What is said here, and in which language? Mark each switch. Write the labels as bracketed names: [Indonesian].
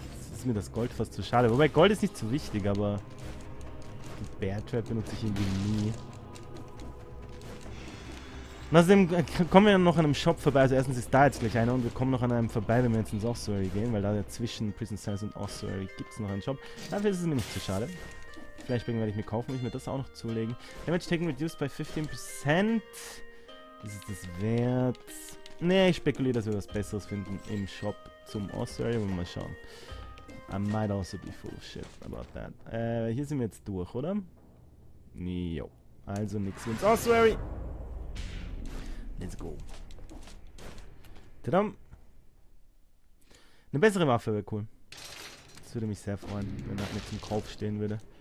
[German] Jetzt ist mir das Gold fast zu schade. Wobei Gold ist nicht so wichtig, aber die Bad Trap benutze ich irgendwie nie. Und außerdem kommen wir noch an einem Shop vorbei, also erstens ist da jetzt gleich einer und wir kommen noch an einem vorbei, wenn wir jetzt ins Ossuary gehen, weil da zwischen Prison Cells und Ossuary gibt es noch einen Shop. Dafür ist es mir nicht zu schade. Vielleicht werde ich mir kaufen, ich mir das auch noch zulegen. [English] Damage taken reduced by 15%. [German] Ist es das wert? Nee, ich spekuliere, dass wir was Besseres finden im Shop zum Ossuary, aber mal schauen. [English] I might also be full of shit about that. [German] Hier sind wir jetzt durch, oder? Jo. Also nix ins Ossuary. [English] Let's go. [German] Tadam. Eine bessere Waffe wäre cool. Das würde mich sehr freuen, wenn er mit dem Kopf stehen würde.